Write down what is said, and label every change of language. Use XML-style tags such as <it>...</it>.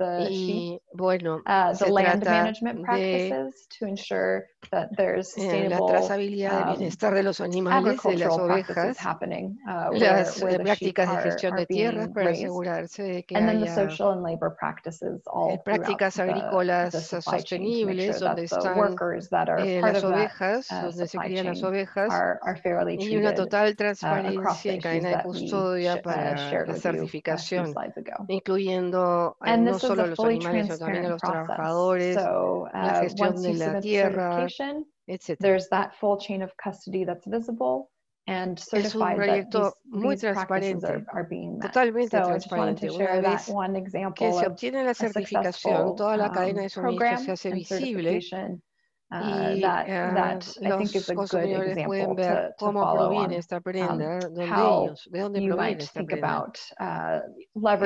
<es>Y bueno, se trata de la trazabilidad del bienestar de los animales, de las ovejas, las prácticas de gestión de tierras para asegurarse de que haya prácticas agrícolas sostenibles donde están las ovejas, donde se crían las ovejas, y una total transparencia y cadena de custodia para la certificación, incluyendo no solo a los animales, sino también a los trabajadores, la gestión de la tierra, etc.</es> <en>There's that full chain of custody that's visible and certified.</en> <es>Es un proyecto muy transparente, totalmente transparente. Una vez que se obtiene la certificación, toda la cadena de suministro se hace visible y los consumidores pueden ver cómo proviene esta prenda, de dónde proviene esta prenda.</es>